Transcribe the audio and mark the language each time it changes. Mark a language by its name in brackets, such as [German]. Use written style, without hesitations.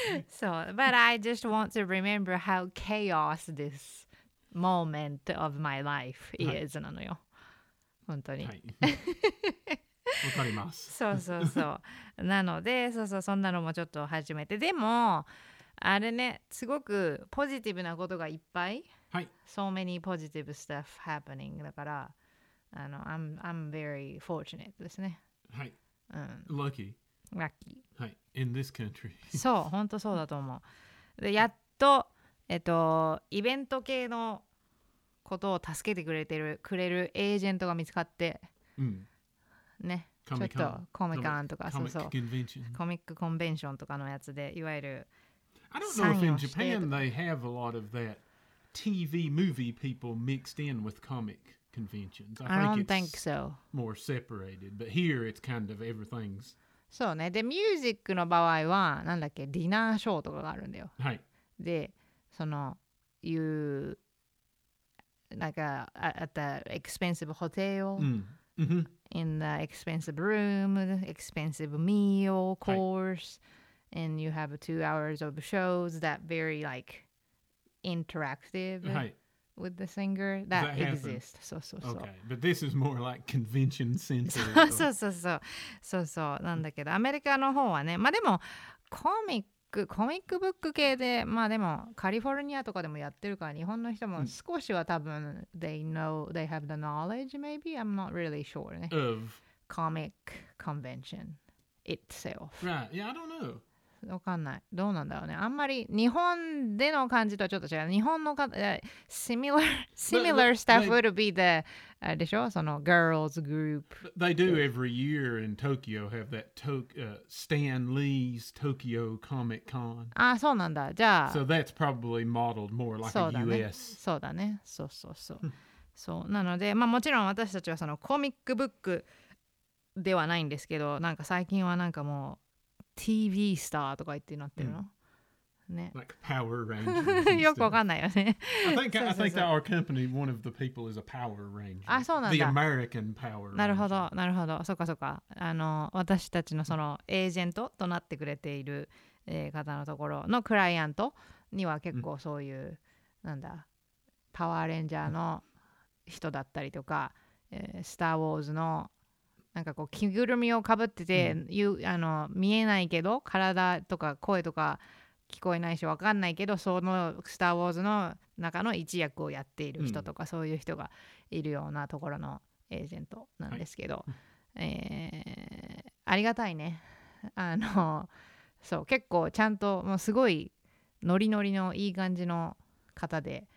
[English] So, but I just want to remember how chaos this moment of my life is, [Japanese] なのよ。本当に。わかります。そうそうそう。なので、そうそう、そんなのもちょっと初めて。でも、あれね、すごくポジティブなことがいっぱい。はい。 [English] So many positive stuff happening. [Japanese] だから、 [English] I'm very fortunate [Japanese] ですね。はい。うん、 [English] Lucky. [Japanese] ラッキー。 [English] はい。In this country. [Japanese] そう、本当そうだと思う。で、やっと、イベント系のことを助けてくれるエージェントが見つかって、うん、ね、 [English] Comic-Con、 [Japanese] ちょっとコミカンとか、 [English] Comic- [Japanese] そうそう、コミックコンベンションとかのやつで、いわゆる、 [English] I don't know if in Japan they have a lot of that TV movie people mixed in with comic conventions. I don't think so. More separated, but here it's kind of everything's. [Japanese] そうね。で、ミュージックの場合は、なんだっけ、ディナーショーとかがあるんだよ。はい。で、その、いう、なんか、 [English] at the expensive hotel,、 [Japanese] うん、 [English] in the expensive room, expensive meal course,、はい、and you have 2 hours of shows that very, like, interactive、 [Japanese] はい、 [English] with the singer that exists. [Japanese] そうそうそう。 [English] Okay, but this is more like convention center. [Japanese] そうそうそうそう。そうそう。なんだけど、アメリカの方はね、まあでも、コミックブック系で、まあでも、カリフォルニアとかでもやってるから、日本の人も少しは多分、 [English] they know, they have the knowledge, maybe? I'm not really sure. Of? Comic convention itself. Right, yeah, I don't know. [Japanese] わかんない。どうなんだろうね。あんまり日本での感じとはちょっと違う。日本のか、 [English] similar stuff would be the, [Japanese] でしょ？その girls group. [English] They do every year in Tokyo have that Stan Lee's Tokyo Comic Con. [Japanese] あ、そうなんだ。じゃあ。 [English] So that's probably modeled more like a US. [Japanese] そうだね。そうそうそう。そうなので、まあもちろん私たちはそのコミックブックではないんですけど、なんか最近はなんかもう TV スターとか言ってなってるの、ね。 [English] Like Power Rangers. [Japanese] よくわかんないよね。 [English] I think that our company, one of the people is a Power Ranger. [Japanese] あ、そうなんだ。 [English] The American Power Ranger. [Japanese] なるほど、なるほど。そうかそうか。あの、私たちのそのエージェントとなってくれている、方のところのクライアントには結構そういう、うん、なんだ、パワーレンジャーの、うん人だったりとか、スターウォーズのなんかこう着ぐるみをかぶってて、うん、あの見えないけど体とか声とか聞こえないしわかんないけどそのスターウォーズの中の一役をやっている人とか、うん、そういう人がいるようなところのエージェントなんですけど、はいありがたいねあのそう結構ちゃんともうすごいノリノリのいい感じの方で、